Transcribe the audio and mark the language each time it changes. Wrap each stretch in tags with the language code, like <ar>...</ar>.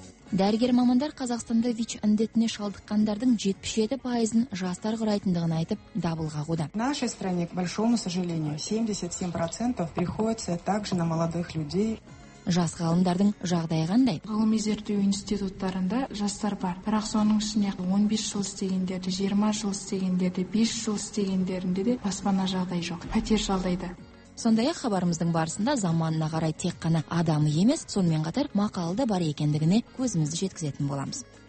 <kk>Дәрігер мамандар Қазақстанда ВИЧ індетіне шалдыққандардың 77% жастар құрайтындығын айтып, дабыл қағуда.</kk> <ru>В нашей стране, к большому сожалению, 77% приходится также на молодых людей.</ru> <kk>Жас ғалымдардың жағдайы қандай? Ғылыми зерттеу институттарында жастар бар. Бірақ соның ішінде 15 жыл істегендерді, 20 жыл істегендерді, 5 жыл істегендерінде де баспана жағдай жоқ. Пәтер жалдайды. Сондай ақ хабарымыздың барысында заманына қарай тек қана адамы емес, сонымен қатар мақалы да бар екендігіне көзімізді жеткізетін боламыз.</kk>